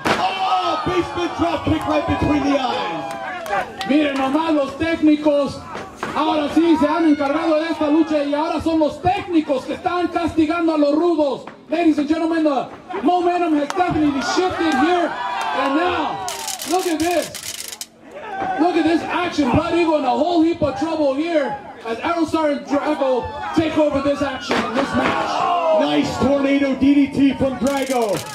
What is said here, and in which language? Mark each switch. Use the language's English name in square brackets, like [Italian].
[English] Oh, basement drop kick right between the eyes. [Spanish] Miren nomás los técnicos. Ahora sí se han encargado de esta lucha y ahora son los técnicos que están castigando a los rudos. [English] Ladies and gentlemen, the momentum has definitely shifted here. And now, look at this. Look at this action. Blood Eagle in a whole heap of trouble here as Aerostar and Drago take over this action in this match. Nice tornado DDT from Drago.